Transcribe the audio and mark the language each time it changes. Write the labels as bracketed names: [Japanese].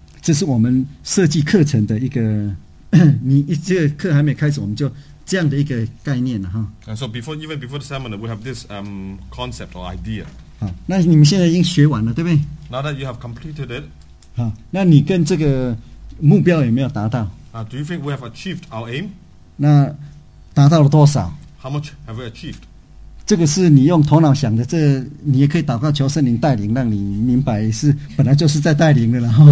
[Chinese] 这是我们设计课程的一个。你这个课还没开始，我们就这样的一个概念了哈。 [English] And so before, even before the seminar, we have this concept or idea. [Chinese] 那你们现在已经学完了，对不对 [English] ？Now that you have completed it. [Chinese] 那你跟这个目标有没有达到？ [English] Do you think we have achieved our aim? [Chinese] 那达到了多少？ [English] How much have we achieved? [Chinese] 这个是你用头脑想的，这个、你也可以祷告求圣灵带领，让你明白是本来就是在带领的了。